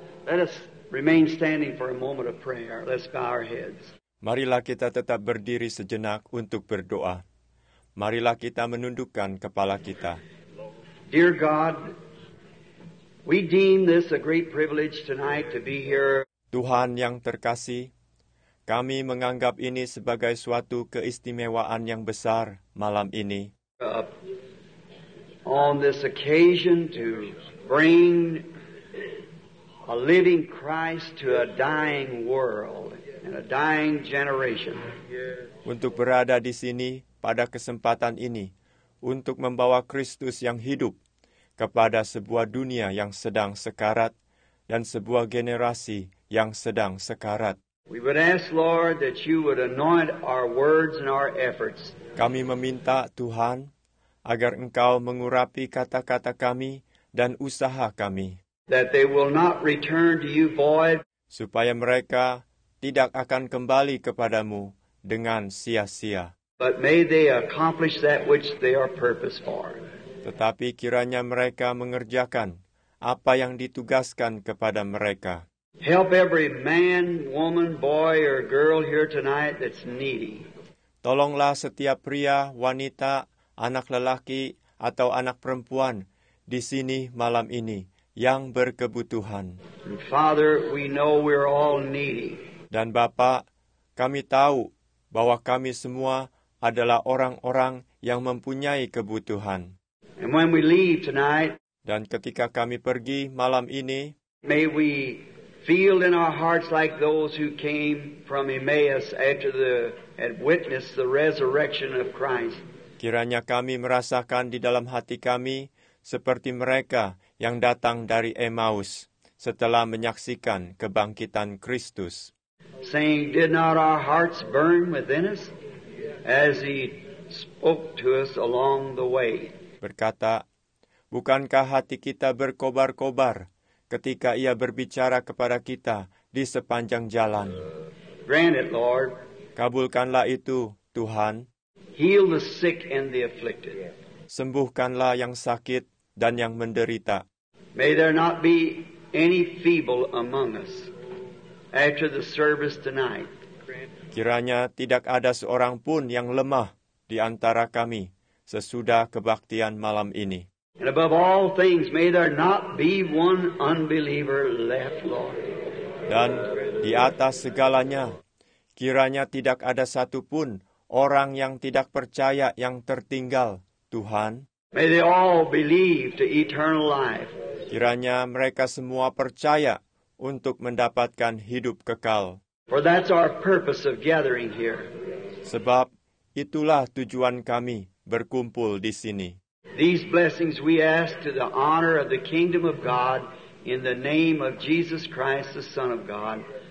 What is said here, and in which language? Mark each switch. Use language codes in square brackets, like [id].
[en] Let us remain standing for a moment of prayer. Let's bow our heads. [id] Marilah kita tetap berdiri sejenak untuk berdoa. Marilah kita menundukkan kepala kita. [en] Dear God, we deem this a great privilege tonight to be here. [id] Tuhan yang terkasih, kami menganggap ini sebagai suatu keistimewaan yang besar malam ini. [en] On this occasion to bring a living Christ to a dying world and a dying generation. [id] Untuk berada di sini pada kesempatan ini, untuk membawa Kristus yang hidup kepada sebuah dunia yang sedang sekarat dan sebuah generasi yang sedang sekarat. [en] We would ask, Lord, that you would anoint our words and our efforts. [id] Kami meminta Tuhan agar Engkau mengurapi kata-kata kami dan usaha kami. [en] That they will not return to you void. [id] Supaya mereka tidak akan kembali kepadamu dengan sia-sia. [en] But may they accomplish that which they are purposed for. [id] Tetapi kiranya mereka mengerjakan apa yang ditugaskan kepada mereka. [en] Help every man, woman, boy, or girl here tonight that's needy. [id] Tolonglah setiap pria, wanita, anak lelaki, atau anak perempuan di sini malam ini yang berkebutuhan. [en] Father, we know we're all needy. [id] Dan Bapa, kami tahu bahwa kami semua adalah orang-orang yang mempunyai kebutuhan. [en] And when we leave tonight, [id] dan ketika kami pergi malam ini, [en] may we feel in our hearts like those who came from Emmaus after the had witnessed the resurrection of Christ. [id] Kiranya kami merasakan di dalam hati kami seperti mereka yang datang dari Emmaus setelah menyaksikan kebangkitan Kristus. [en] Saying, did not our hearts burn within us as he spoke to us along the way? [id] Berkata, bukankah hati kita berkobar-kobar ketika ia berbicara kepada kita di sepanjang jalan? [en] Grant it, Lord. [id] Kabulkanlah itu, Tuhan. [en] Heal the sick and the afflicted. [id] Sembuhkanlah yang sakit dan yang menderita. [en] May there not be any feeble among us after the service tonight. [id] Kiranya tidak ada seorang pun yang lemah di antara kami sesudah kebaktian malam ini. [en] And above all things, may there not be one unbeliever left, Lord. [id] Dan di atas segalanya, kiranya tidak ada satu pun orang yang tidak percaya yang tertinggal, Tuhan. [en] May they all believe to eternal life. [id] Kiranya mereka semua percaya untuk mendapatkan hidup kekal. [en] For that's our purpose of gathering here. [id] Sebab itulah tujuan kami berkumpul di sini. [en] These blessings we ask to the honor of the kingdom of God in the name of Jesus Christ, the Son of God.